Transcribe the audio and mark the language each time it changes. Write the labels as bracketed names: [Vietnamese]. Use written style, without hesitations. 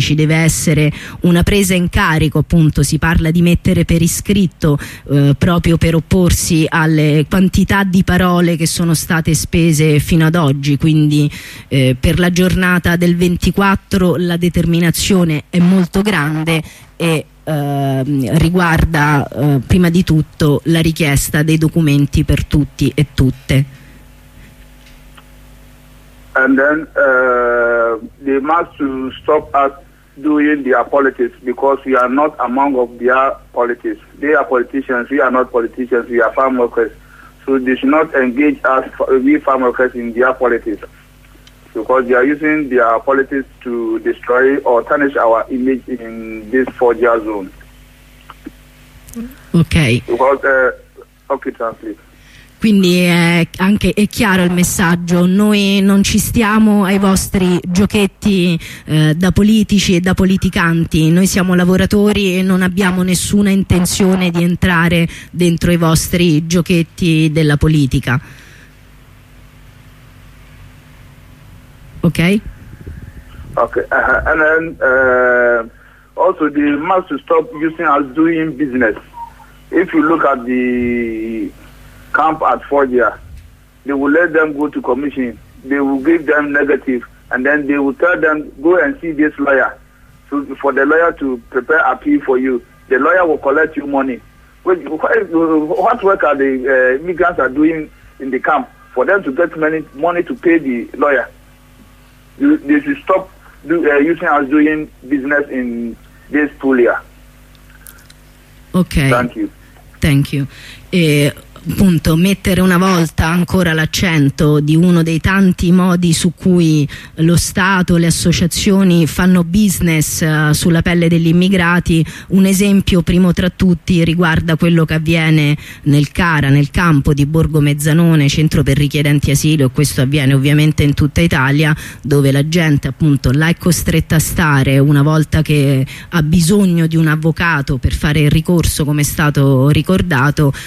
[Italian] Ci deve essere una presa in carico, appunto si parla di mettere per iscritto, proprio per opporsi alle quantità di parole che sono state spese fino ad oggi. Quindi per la giornata del 24 la determinazione è molto grande e riguarda prima di tutto la richiesta dei documenti per tutti e tutte. [English] And then they must stop us doing their politics, because we are not among of their politics. They are politicians, we are not politicians, we are farm workers. So they should not engage us, we farm workers, in their politics, because they are using their politics to destroy or tarnish our image in this Foggia zone. Okay. Because, okay, translate. [Italian] Quindi è chiaro il messaggio: noi non ci stiamo ai vostri giochetti da politici e da politicanti, noi siamo lavoratori e non abbiamo nessuna intenzione di entrare dentro i vostri giochetti della politica. Ok? [English] Ok, and then also they must stop using us doing business. If you look at the camp at Fordia, they will let them go to commission. They will give them negative, and then they will tell them, go and see this lawyer, so for the lawyer to prepare appeal for you. The lawyer will collect you money. What work are the immigrants are doing in the camp for them to get money to pay the lawyer? They should stop using us doing business in this Puglia. Okay. Thank you. [Italian] Appunto, mettere una volta ancora l'accento di uno dei tanti modi su cui lo Stato, le associazioni fanno business sulla pelle degli immigrati. Un esempio primo tra tutti riguarda quello che avviene nel CARA, nel campo di Borgo Mezzanone, centro per richiedenti asilo, e questo avviene ovviamente in tutta Italia, dove la gente appunto là è costretta a stare una volta che ha bisogno di un avvocato per fare il ricorso, come è stato ricordato.